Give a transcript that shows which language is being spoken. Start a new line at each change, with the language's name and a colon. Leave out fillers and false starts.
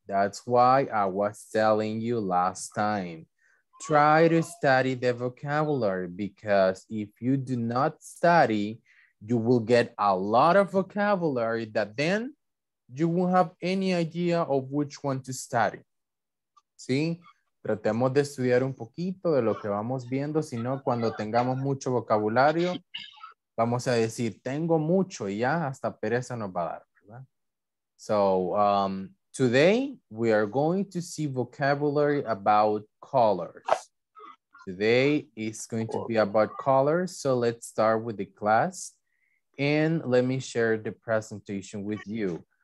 English: That's why I was telling you last time, try to study the vocabulary, because if you do not study, you will get a lot of vocabulary that then you won't have any idea of which one to study.
Spanish: ¿Sí? Tratemos de estudiar un poquito de lo que vamos viendo, si no, cuando tengamos mucho vocabulario, vamos a decir, tengo mucho y ya hasta pereza nos va a dar, ¿verdad?
English: So, today we are going to see vocabulary about colors. Today is going to be about colors. So let's start with the class and let me share the presentation with you.